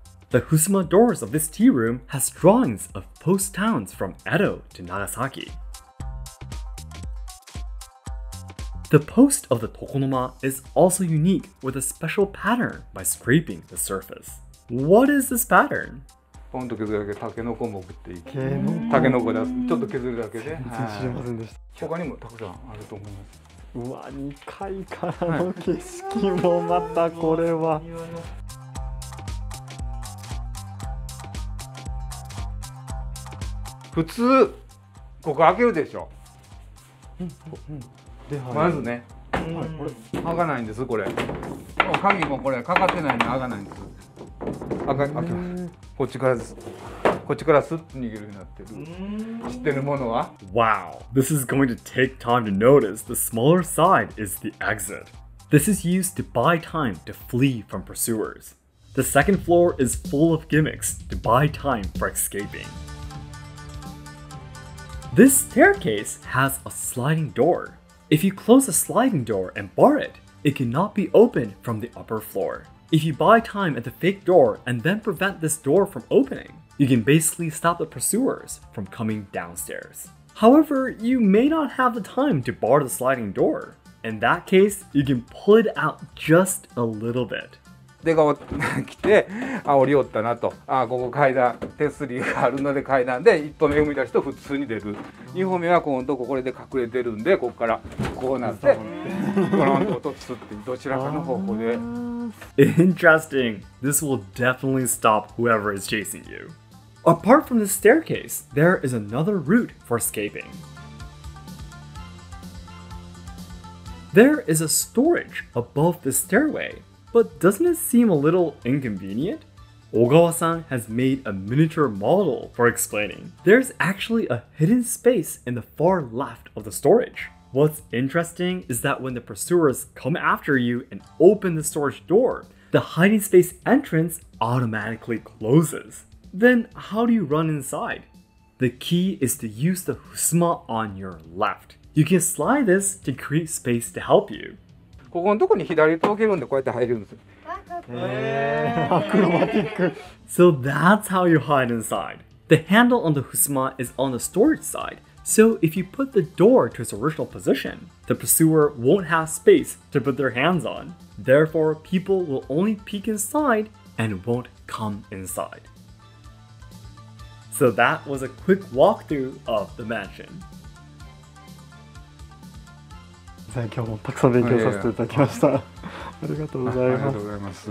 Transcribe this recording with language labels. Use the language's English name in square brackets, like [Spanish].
[English] The Husuma doors of this tea room has drawings of post towns from Edo to Nagasaki. The post of the Tokonoma is also unique with a special pattern by scraping the surface. What is this pattern? [Japanese] ポンと削るだけタケノコ木っていう。タケノコだ。ちょっと削るだけで。全然知りませんでした。はい、他にもたくさんあると思います。うわ、2階からの景色もまたこれは。普通、ここ開けるでしょ。ではまずね、これ開かないんです、これ。鍵もこれ、かかってないんで開かないんです。開けます。こっちからです。こっちからスッと逃げるようになってる。知ってるものは [English] Wow! This is going to take time to notice the smaller side is the exit. This is used to buy time to flee from pursuers. The second floor is full of gimmicks to buy time for escaping. This staircase has a sliding door. If you close a sliding door and bar it, it cannot be opened from the upper floor. If you buy time at the fake door and then prevent this door from opening, you can basically stop the pursuers from coming downstairs. However, you may not have the time to bar the sliding door. In that case, you can pull it out just a little bit. [Japanese] で、こう来て、あ、降りよったなと。あ、ここ階段、手すりがあるので階段で一歩目踏み出すと普通に出る。二歩目は今度これで隠れてるんで、ここからこうなって、ゴロンと落とすってどちらかの方向で。 [English] Interesting. This will definitely stop whoever is chasing you. Apart from the staircase, there is another route for escaping. There is a storage above the stairway, but doesn't it seem a little inconvenient? Ogawa-san has made a miniature model for explaining. There's actually a hidden space in the far left of the storage. What's interesting is that when the pursuers come after you and open the storage door, the hiding space entrance automatically closes. Then how do you run inside? The key is to use the husuma on your left. You can slide this to create space to help you. [Japanese] ここのとこに左に通けるんでこうやって入るんです。アクロバティック。 [English] So that's how you hide inside. The handle on the husuma is on the storage side. So if you put the door to its original position, the pursuer won't have space to put their hands on. Therefore, people will only peek inside and won't come inside. So that was a quick walkthrough of the mansion. Thank you. [Japanese] たくさん勉強させていただきました。ありがとうございます。ありがとうございます。